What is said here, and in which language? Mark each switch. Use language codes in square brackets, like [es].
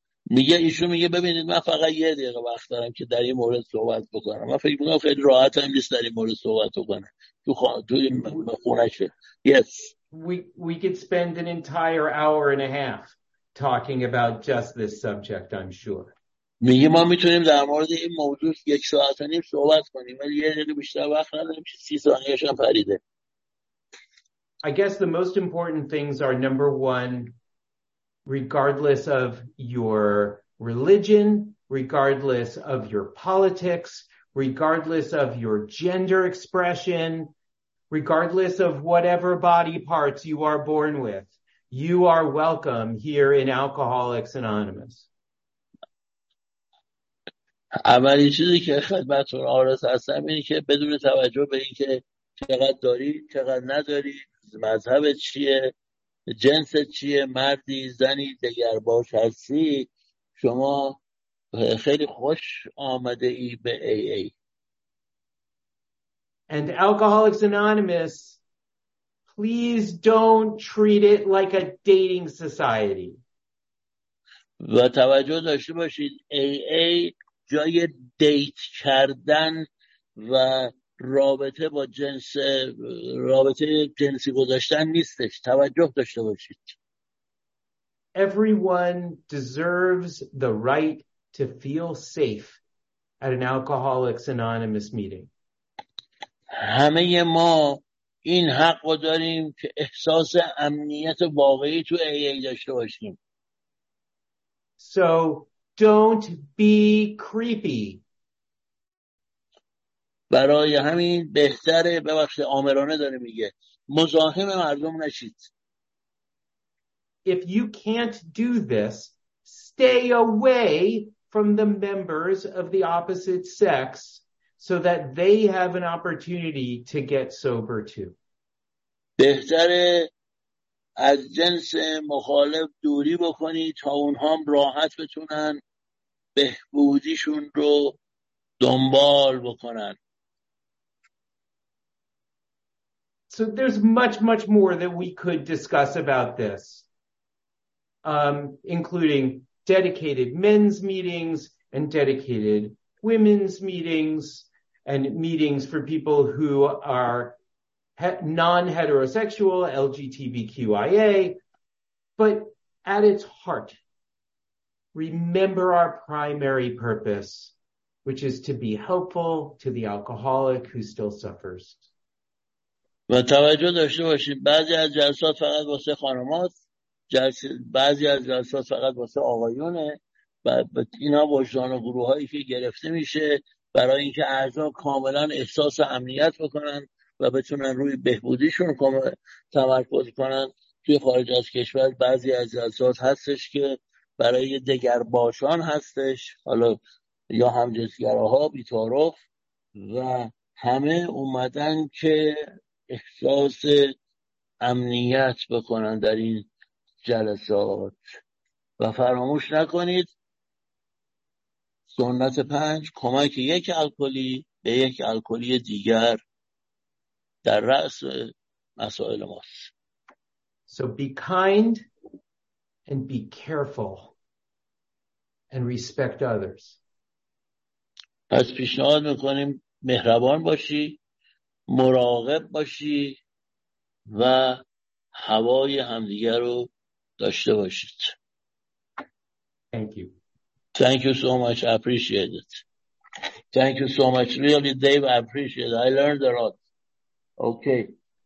[fa] میگه ایشون میگه ببینید من فقط یه دقیقه وقت دارم که در این مورد صحبت بکنم. من فکر میکنم خیلی راحت هم نیست در این مورد صحبت بکنم. توی خونشه. [en] Yes. We could spend an entire hour and a half talking about just this subject, I'm sure. [fa] میگه ما میتونیم در مورد این موضوع یک ساعت و نیم صحبت کنیم. ولی یه دقیقه بیشتر وقت ندارم که 30 ثانیه‌اش هم فریده. [en] I guess the most important things are, number one, regardless of your religion, regardless of your politics, regardless of your gender expression, regardless of whatever body parts you are born with, you are welcome here in Alcoholics Anonymous. [fa] اولین چیزی که خدمتتون عارض هستم اینه که بدون توجه به اینکه چقدر داری، چقدر نداری، مذهب چیه، جنس چیه، مردی، زنی، دیگر باش هستی، شما خیلی خوش آمده ای به AA. [en] And Alcoholics Anonymous, please don't treat it like a dating society. [fa] و توجه داشته باشید AA جای دیت کردن و رابطه با جنس رابطه جنسی گذاشتن نیستش. توجه داشته باشید. [en] Everyone deserves the right to feel safe at an Alcoholics Anonymous meeting. [fa] همه ما این حق رو داریم که احساس امنیت واقعی تو AA داشته باشیم. [en] So don't be creepy. [fa] برای همین بهتره، ببخشید آمرانه داره میگه، مزاحم مردم نشید. [en] If you can't do this, stay away from the members of the opposite sex so that they have an opportunity to get sober too. [fa] بهتره از جنس مخالف دوری بکنی تا اونها هم راحت بتونن بهبودیشون رو دنبال بکنن. [en] So there's much, much more that we could discuss about this, including dedicated men's meetings and dedicated women's meetings and meetings for people who are non-heterosexual, LGBTQIA. But at its heart, remember our primary purpose, which is to be helpful to the alcoholic who still suffers. [fa] و توجه داشته باشید بعضی از جلسات فقط واسه خانم‌هاست، بعضی از جلسات فقط واسه آقایونه و اینا وجدان و گروه‌هایی که گرفته میشه برای اینکه اعضا کاملا احساس امنیت بکنن و بتونن روی بهبودیشون تمرکز کنن. توی خارج از کشور بعضی از جلسات هستش که برای دگر باشان هستش، حالا یا همجنسگراها بی‌تعارف، و همه اومدن که احساس امنیت بکنن در این جلسات. و فراموش نکنید سنت پنج، کمک یک الکلی به یک الکلی دیگر در رأس مسائل ماست. [en] So be kind and be careful and respect others. [fa] پس پیشنهاد میکنیم مهربان باشی، مراقب باشی و هوای همدیگر رو داشته باشید. [en] Thank you so much. I appreciate it. Thank you so much. Really, Dave, I appreciate it. I learned a lot. Okay.